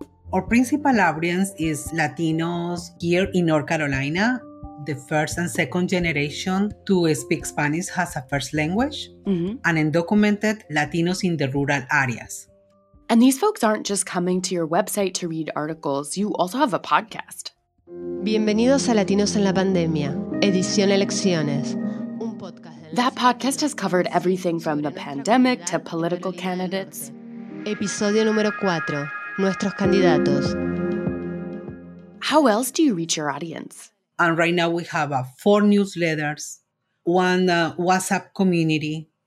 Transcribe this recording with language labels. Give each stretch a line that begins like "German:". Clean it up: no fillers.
English: Our principal audience is Latinos here in North Carolina, the first and second generation to speak Spanish as a first language, and undocumented Latinos in the rural areas. And these folks aren't just coming to your website to read articles. You also have a podcast.
Spanish: Bienvenidos a Latinos en la Pandemia, Edición Elecciones.
English: That podcast has covered everything from the pandemic to political candidates.
Spanish: Episodio número 4, Nuestros Candidatos.
English: How else do you reach your audience? And right now we have 4 newsletters, 1 WhatsApp community.